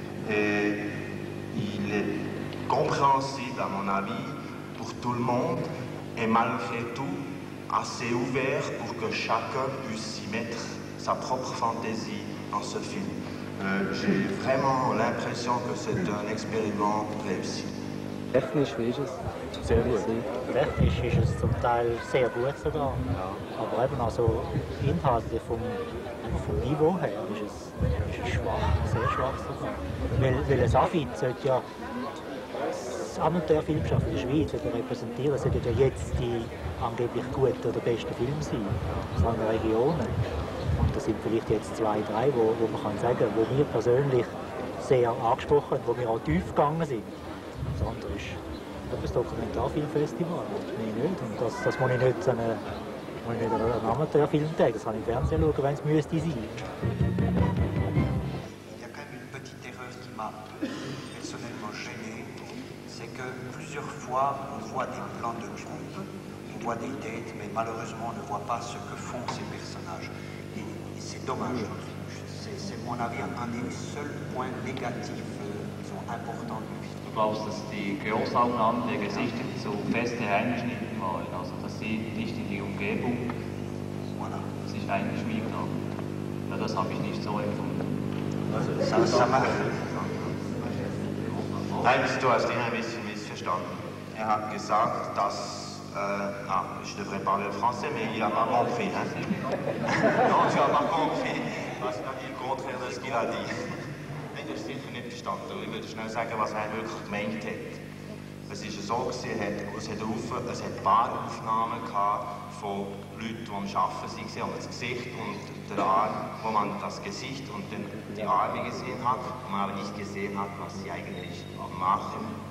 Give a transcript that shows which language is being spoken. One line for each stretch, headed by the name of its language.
French: Et il est compréhensible, à mon avis, pour tout le monde. Et malgré tout, assez ouvert pour que chacun puisse y mettre sa propre fantaisie en ce film. J'ai vraiment l'impression que c'est un expériment réussi.
German: Technisch ist es sehr gut. Technisch ist es zum Teil sehr gut sogar. Ja. Aber eben also inhaltlich vom Niveau her ist es schwach, sehr schwach sogar. Weil ein Affid sollte ja das Amateurfilmschaft in der Schweiz repräsentieren, sollte ja jetzt die angeblich guten oder besten Filme sein, aus anderen Regionen. Und das sind vielleicht jetzt zwei, drei, wo man kann sagen, wo wir persönlich sehr angesprochen haben, wo wir auch tief gegangen sind. Das andere ist das Dokumentarfilmfestival, mehr nicht. Und das muss ich nicht einen Amateurfilm tagen, das kann ich im Fernsehen schauen, wenn es müsste sein.
French: Il y a quand même une petite erreur qui m'a personnellement gêné, c'est que plusieurs fois on voit des plans de groupe, on voit des têtes, mais malheureusement on ne voit pas ce que font ces personnages. Et c'est dommage. C'est mon avis un des seuls points négatifs importants du film.
German: Ich glaube, dass die Großaufnahmen der Gesichter so feste Einschnitte waren, also dass sie nicht in die Umgebung sich eingeschmiegt haben. Ja, das habe ich nicht so empfunden. Nein, du hast ihn ein bisschen missverstanden. Er hat gesagt, dass...
French: ich devrais parler français, mais il a pas compris. Hein? Non, tu n'as pas compris. Le contraire de ce qu'il a dit.
German: Ich würde schnell sagen, was er wirklich gemeint hat. Es war so, es hat ein paar Aufnahmen gehabt von Leuten, die am Arbeiten waren, und das Gesicht und den Arm, wo man das Gesicht und die Arme gesehen hat, wo man aber nicht gesehen hat, was sie eigentlich machen.